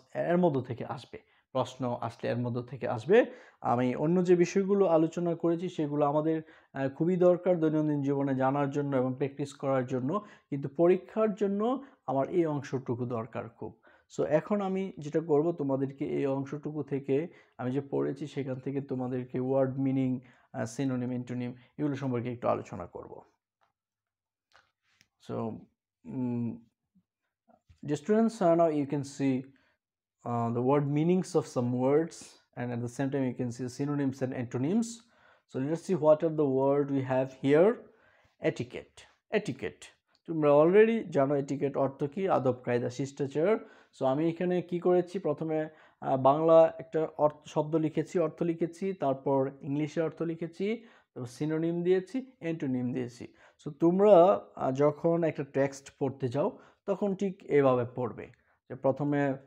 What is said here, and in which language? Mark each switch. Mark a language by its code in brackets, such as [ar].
[bn] এর মধ্য থেকে আসবে প্রশ্ন আসলে এর মধ্য থেকে আসবে আমি অন্য যে বিষয়গুলো আলোচনা করেছি সেগুলো আমাদের খুবই দরকার দৈনন্দিন জীবনে জানার জন্য এবং প্র্যাকটিস করার জন্য কিন্তু পরীক্ষার জন্য আমার এই অংশটুকু দরকার খুব সো এখন আমি যেটা করব তোমাদেরকে এই অংশটুকু থেকে আমি যে পড়েছি সেখান থেকে তোমাদেরকে ওয়ার্ড মিনিং সিনোনিম অ্যান্টোনিম এগুলো সম্পর্কে একটু আলোচনা করব So, [en] the students, now you can see the word meanings of some words, and at the same time, you can see synonyms and antonyms. So, let's see what are the word we have here. Etiquette. [bn] তোমরা already জানো etiquette অর্থ কী আদব কায়দা শিষ্টাচার so আমি এখানে কি করেছি প্রথমে বাংলা একটা অর্থ শব্দ লিখেছি অর্থ লিখেছি তারপর ইংলিশে অর্থ লিখেছি তারপর সিনোনিম দিয়েছি অ্যান্টোনিম দিয়েছি সো তোমরা যখন একটা টেক্সট পড়তে যাও তখন ঠিক এভাবে পড়বে যে প্রথমে